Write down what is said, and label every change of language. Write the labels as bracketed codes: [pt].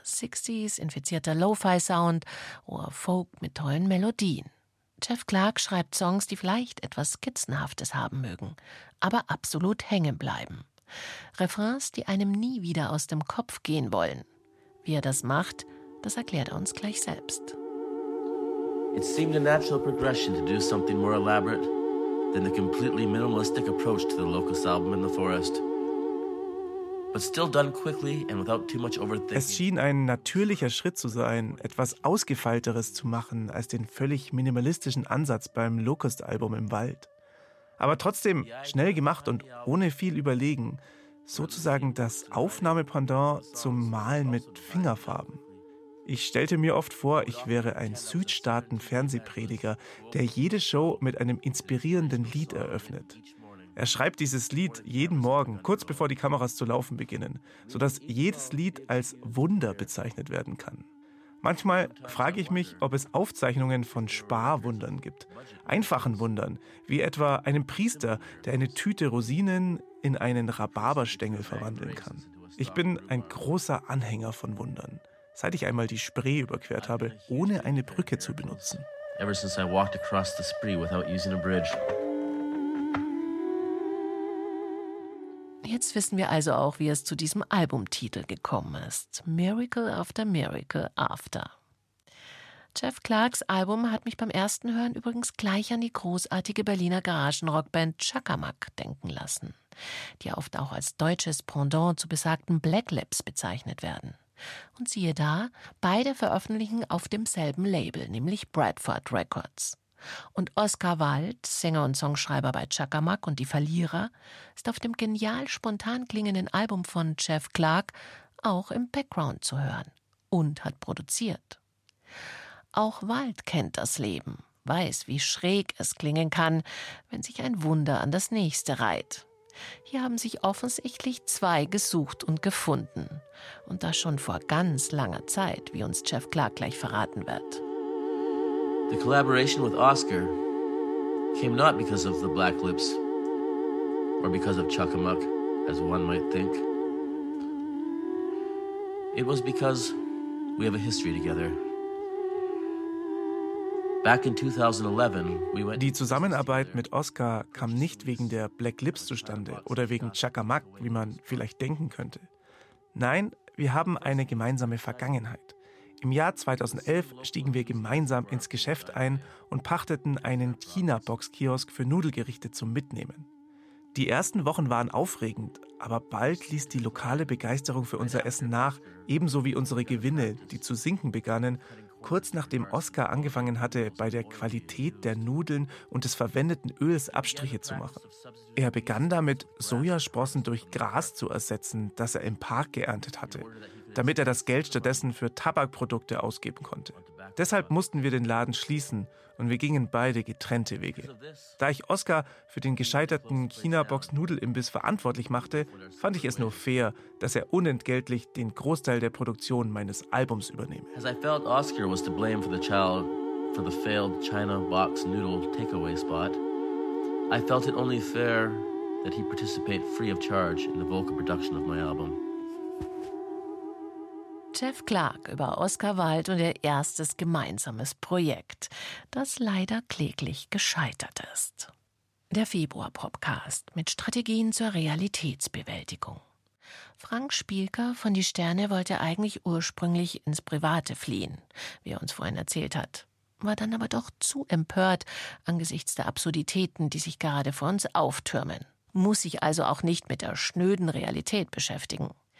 [de] 60s, infizierter Lo-Fi-Sound, hoher Folk mit tollen Melodien. Jeff Clark schreibt Songs, die vielleicht etwas Skizzenhaftes haben mögen, aber absolut hängen bleiben. Refrains, die einem nie wieder aus dem Kopf gehen wollen. Wie er das macht, das erklärt er uns gleich selbst. [en] It seemed a natural progression to do something more elaborate than the completely minimalistic approach to the Locust album in the forest. [de] Es schien ein natürlicher Schritt zu sein, etwas Ausgefeilteres zu machen als den völlig minimalistischen Ansatz beim Locust-Album im Wald. Aber trotzdem schnell gemacht und ohne viel Überlegen, sozusagen das Aufnahmependant zum Malen mit Fingerfarben. Ich stellte mir oft vor, ich wäre ein Südstaaten-Fernsehprediger, der jede Show mit einem inspirierenden Lied eröffnet. Er schreibt dieses Lied jeden Morgen, kurz bevor die Kameras zu laufen beginnen, sodass jedes Lied als Wunder bezeichnet werden kann. Manchmal frage ich mich, ob es Aufzeichnungen von Sparwundern gibt. Einfachen Wundern, wie etwa einem Priester, der eine Tüte Rosinen in einen Rhabarberstängel verwandeln kann. Ich bin ein großer Anhänger von Wundern, seit ich einmal die Spree überquert habe, ohne eine Brücke zu benutzen. [en] Ever since I walked across the Spree without using a bridge. [de] Jetzt wissen wir also auch, wie es zu diesem Albumtitel gekommen ist. Miracle After Miracle After. Jeff Clarks Album hat mich beim ersten Hören übrigens gleich an die großartige Berliner Garagenrockband Chuckamuck denken lassen, die oft auch als deutsches Pendant zu besagten Black Lips bezeichnet werden. Und siehe da, beide veröffentlichen auf demselben Label, nämlich Bradford Records. Und Oscar Wilde, Sänger und Songschreiber bei Chakamak und Die Verlierer, ist auf dem genial spontan klingenden Album von Jeff Clark auch im Background zu hören und hat produziert. Auch Wilde kennt das Leben, weiß, wie schräg es klingen kann, wenn sich ein Wunder an das nächste reiht. Hier haben sich offensichtlich zwei gesucht und gefunden. Und das schon vor ganz langer Zeit, wie uns Jeff Clark gleich verraten wird. [en] The collaboration with Oscar came not because of the Black Lips or because of Chakamak, as one might think. It was because we have a history together. Back in 2011, we went. [de] Die Zusammenarbeit mit Oscar kam nicht wegen der Black Lips zustande oder wegen Chakamak, wie man vielleicht denken könnte. Nein, wir haben eine gemeinsame Vergangenheit. Im Jahr 2011 stiegen wir gemeinsam ins Geschäft ein und pachteten einen China-Box-Kiosk für Nudelgerichte zum Mitnehmen. Die ersten Wochen waren aufregend, aber bald ließ die lokale Begeisterung für unser Essen nach, ebenso wie unsere Gewinne, die zu sinken begannen, kurz nachdem Oscar angefangen hatte, bei der Qualität der Nudeln und des verwendeten Öls Abstriche zu machen. Er begann damit, Sojasprossen durch Gras zu ersetzen, das er im Park geerntet hatte, damit er das Geld stattdessen für Tabakprodukte ausgeben konnte. Deshalb mussten wir den Laden schließen und wir gingen beide getrennte Wege. Da ich Oscar für den gescheiterten China-Box-Nudel-Imbiss verantwortlich machte, fand ich es nur fair, dass er unentgeltlich den Großteil der Produktion meines Albums übernehme. [en] As I felt Oscar was to blame for the child for the failed China-Box-Noodle takeaway spot, I felt it only fair that he participate free of charge in the vocal production of my album. [de] Jeff Clark über Oscar Wilde und ihr erstes gemeinsames Projekt, das leider kläglich gescheitert ist. Der Februar-Podcast mit Strategien zur Realitätsbewältigung. Frank Spielker von Die Sterne wollte eigentlich ursprünglich ins Private fliehen, wie er uns vorhin erzählt hat, war dann aber doch zu empört angesichts der Absurditäten, die sich gerade vor uns auftürmen, muss sich also auch nicht mit der schnöden Realität beschäftigen.